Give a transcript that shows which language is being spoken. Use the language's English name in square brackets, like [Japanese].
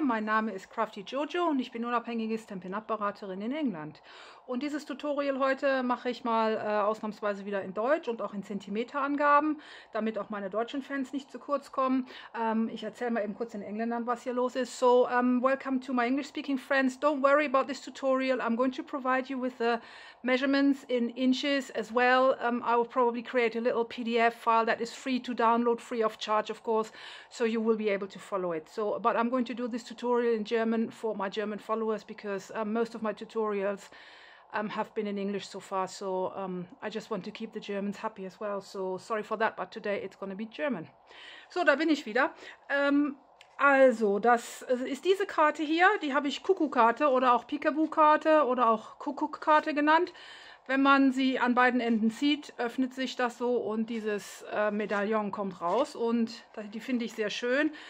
[German] Mein Name ist Crafty Jojo und ich bin unabhängige Stampin'Up-Beraterin in England. Und dieses Tutorial heute mache ich mal ausnahmsweise wieder in Deutsch und auch in Zentimeterangaben, damit auch meine deutschen Fans nicht zu kurz kommen. Ich erzähle mal eben kurz den Engländern, was hier los ist. [English] So, welcome to my English-speaking friends. Don't worry about this tutorial. I'm going to provide you with the measurements in inches as well. I will probably create a little PDF file that is free to download, free of charge, of course, so you will be able to follow it. So, but I'm going to do this tutorial in German for my German followers because most of my tutorials have been in English so far, so I just want to keep the Germans happy as well, so sorry for that, but today it's gonna be German. [German] So, da bin ich wieder. Also, das ist diese Karte hier, die habe ich Kuckuck-Karte oder auch Peekaboo-Karte oder auch Kuckuck-Karte genannt. Wenn man sie an beiden Enden zieht, öffnet sich das so und dieses Medaillon kommt raus und die finde ich sehr schön.